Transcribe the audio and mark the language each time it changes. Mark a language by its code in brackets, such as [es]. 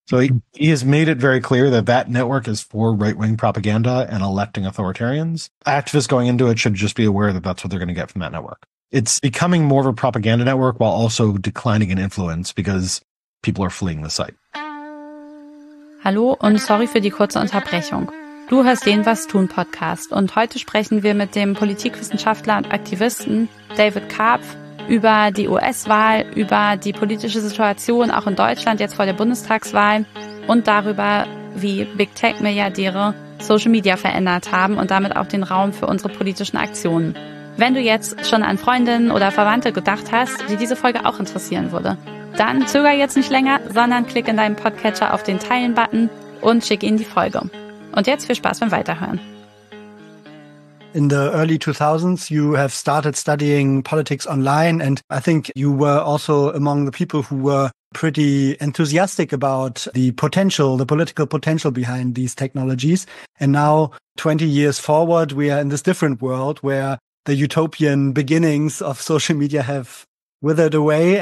[en] So he has made it very clear that that network is for right-wing propaganda and electing authoritarians. Activists going into it should just be aware that that's what they're going to get from that network. It's becoming more of a propaganda network while also declining in influence because people are fleeing the site. [de] Hallo und sorry für die kurze Unterbrechung. Du hörst den Was tun Podcast und heute sprechen wir mit dem Politikwissenschaftler und Aktivisten David Karpf über die US-Wahl, über die politische Situation auch in Deutschland jetzt vor der Bundestagswahl und darüber, wie Big Tech Milliardäre Social Media verändert haben und damit auch den Raum für unsere politischen Aktionen. Wenn du jetzt schon an Freundinnen oder Verwandte gedacht hast, die diese Folge auch interessieren würde, dann zöger jetzt nicht länger, sondern klick in deinem Podcatcher auf den Teilen-Button und schick ihnen die Folge. Und jetzt viel Spaß beim Weiterhören. [en] In the early 2000s, you have started studying politics online. And I think you were also among the people who were pretty enthusiastic about the potential, the political potential behind these technologies. And now, 20 years forward, we are in this different world where the utopian beginnings of social media have withered away.